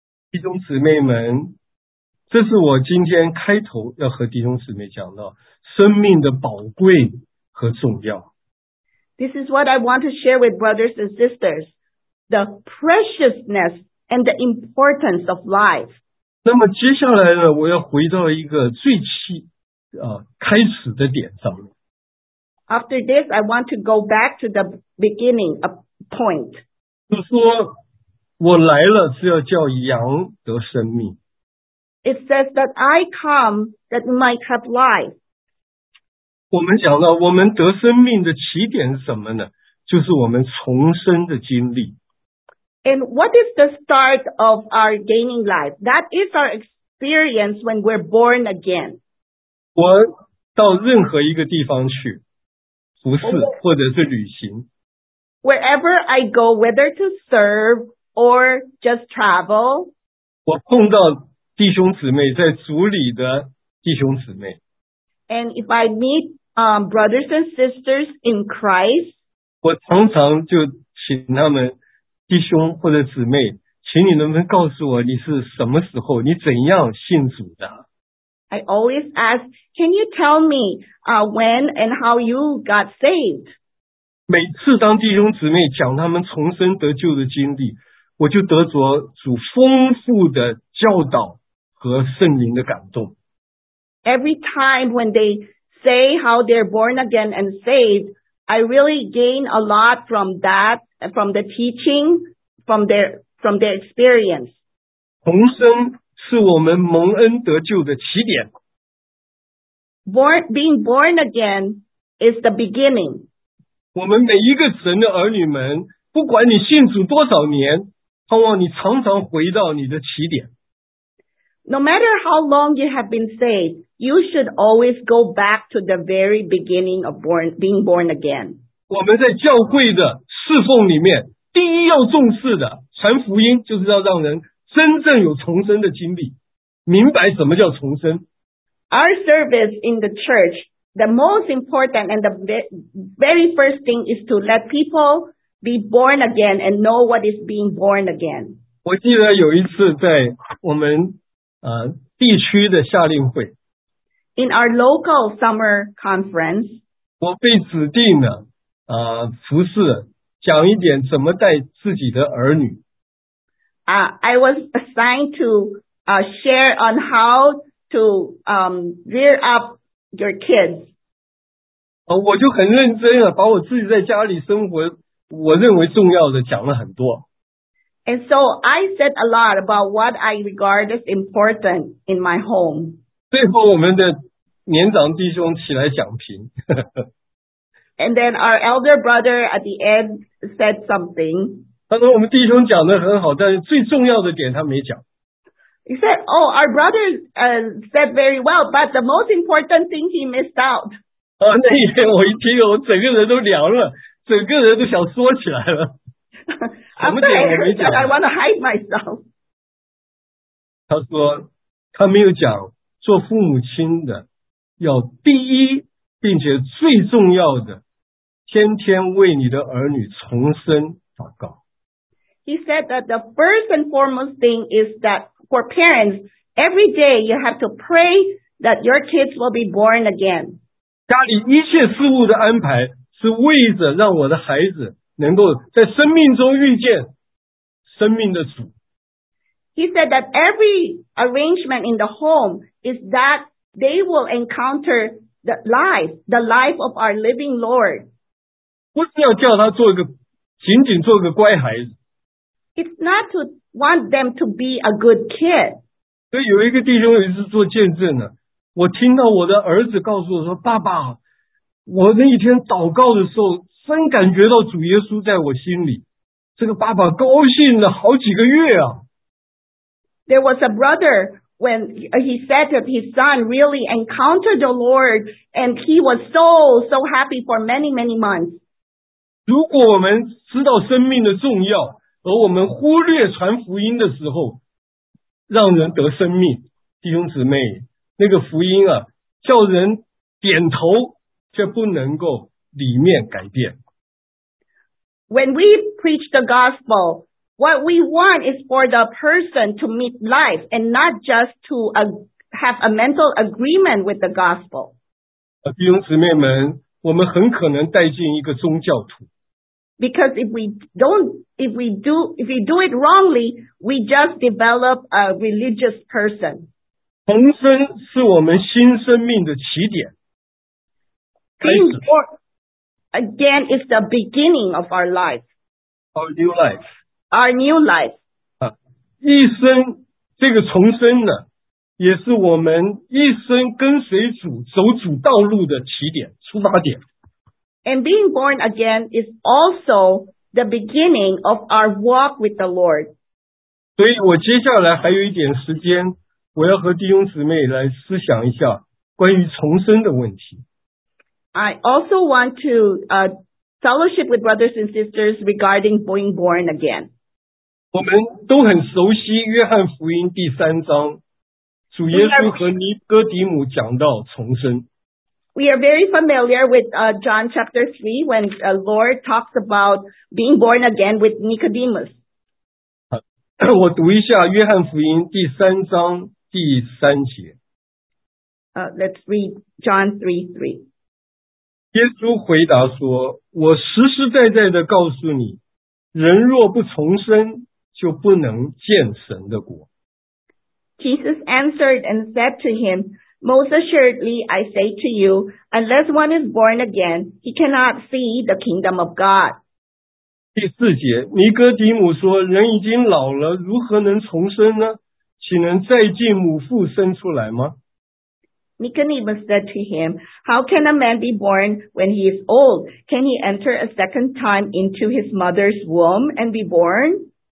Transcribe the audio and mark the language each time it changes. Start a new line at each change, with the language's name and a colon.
Chinese: 弟兄姊妹们，这是我今天开头要和弟兄姊妹讲到生命的宝贵和重要。
English: This is what I want to share with brothers and sisters, the preciousness and the importance of life.
Chinese: 那么接下来呢，我要回到一个最起开始的点上面。
English: After this, I want to go back to the beginning, a point.
Chinese: 就说我来了是要叫羊得生命。
English: It says that I come that might have life.
Chinese: 我们讲到我们得生命的起点是什么呢？就是我们重生的经历。
English: And what is the start of our gaining life? That is our experience when we're born again.
Chinese: 我到任何一个地方去服侍或者是旅行。
English: Wherever I go, whether to serve or just travel.
Chinese: 我碰到弟兄姊妹在主里的弟兄姊妹。
English: And if I meet, brothers and sisters in Christ.
Chinese: 我常常就请他们弟兄或者姊妹，请你能不能告诉我你是什么时候，你怎样信主的。
English: I always ask, can you tell me, when and how you got saved?
Chinese: 每次当弟兄姊妹讲他们重生得救的经历，我就得着主丰富的教导和圣灵的感动。
English: Every time when they say how they're born again and saved, I really gain a lot from that, from the teaching, from their experience.
Chinese: 重生是我们蒙恩得救的起点。
English: Being born again is the beginning.
Chinese: 我们每一个神的儿女们，不管你信主多少年，盼望你常常回到你的起点。
English: No matter how long you have been saved, you should always go back to the very beginning of being born again.
Chinese: 我们在教会的侍奉里面，第一要重视的，传福音就是要让人真正有重生的经历，明白什么叫重生。
English: Our service in the church, the most important and the very first thing is to let people be born again and know what is being born again.
Chinese: 我记得有一次在我们地区的夏令会。
English: In our local summer conference,
Chinese: 我被指定了服侍，讲一点怎么带自己的儿女。
English: I was assigned to share on how to rear up your kids.
Chinese: 我就很认真啊，把我自己在家里生活我认为重要的讲了很多。
English: And so I said a lot about what I regard as important in my home.
Chinese: 最后我们的年长弟兄起来讲评。
English: And then our elder brother at the end said something.
Chinese: 他说我们弟兄讲得很好，但是最重要的点他没讲。
English: He said, oh, our brother said very well, but the most important thing he missed out.
Chinese: 那一天我一听，我整个人都凉了，整个人都想缩起来了。
English: After I heard that, I want to hide myself.
Chinese: 他说他没有讲做父母亲的要第一并且最重要的天天为你的儿女重生祷告。
English: He said that the first and foremost thing is that for parents, every day you have to pray that your kids will be born again.
Chinese: 家里一切事物的安排是为着让我的孩子能够在生命中遇见生命的主。
English: He said that every arrangement in the home is that they will encounter the life of our living Lord.
Chinese: 不是要叫他做一个仅仅做个乖孩子。
English: It's not to want them to be a good kid.
Chinese: 所以有一个弟兄也是做见证的，我听到我的儿子告诉我说，爸爸，我那一天祷告的时候，真感觉到主耶稣在我心里。这个爸爸高兴了好几个月啊。
English: There was a brother when he said that his son really encountered the Lord and he was so happy for many, many months.
Chinese: 如果我们知道生命的重要，而我们忽略传福音的时候，让人得生命，弟兄姊妹，那个福音啊，叫人点头，却不能够里面改变。
English: When we preach the gospel, what we want is for the person to meet life and not just to have a mental agreement with the gospel.
Chinese: 弟兄姊妹们，我们很可能带进一个宗教徒。
English: Because if we do it wrongly, we just develop a religious person.
Chinese: 重生是我们新生命的起点。
English: Being born again is the beginning of our life. Our new life. Our new life.
Chinese: 一生这个重生呢，也是我们一生跟随主走主道路的起点，出发点。
English: And being born again is also the beginning of our walk with the Lord.
Chinese: 所以我接下来还有一点时间，我要和弟兄姊妹来思想一下关于重生的问题。
English: I also want to fellowship with brothers and sisters regarding being born again.
Chinese: 我们都很熟悉约翰福音第三章，主耶稣和尼哥底母讲到重生。
English: We are very familiar with John chapter 3 when the Lord talks about being born again with Nicodemus.
Chinese: 我读一下约翰福音第三章第三节。
English: Let's read John 3:3.
Chinese: 耶稣回答说，我实实在在的告诉你，人若不重生，就不能见神的国。
English: Jesus answered and said to him,Most assuredly, I say to you, unless one is born again, he cannot see the kingdom of God.
Chinese: 第四节，尼哥底母说，人已经老了，如何能重生呢？岂能再进母腹生出来吗？
English: Nicodemus said to him, How can a man be born when he is old? Can he enter a second time into his mother's womb and be born?